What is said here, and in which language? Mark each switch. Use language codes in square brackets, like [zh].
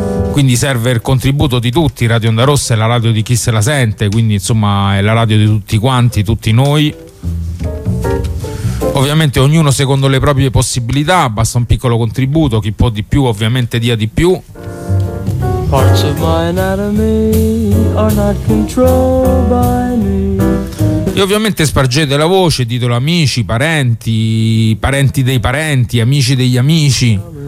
[it] Quindi serve il contributo di tutti, Radio Onda Rossa è la radio di chi se la sente, quindi insomma è la radio di tutti quanti, tutti noi. Ovviamente ognuno secondo le proprie possibilità, basta un piccolo contributo, chi può di più ovviamente dia di più. [en] Parts of my anatomy are not controlled by me. [it] E ovviamente spargete la voce, ditelo amici, parenti, parenti dei parenti, amici degli amici.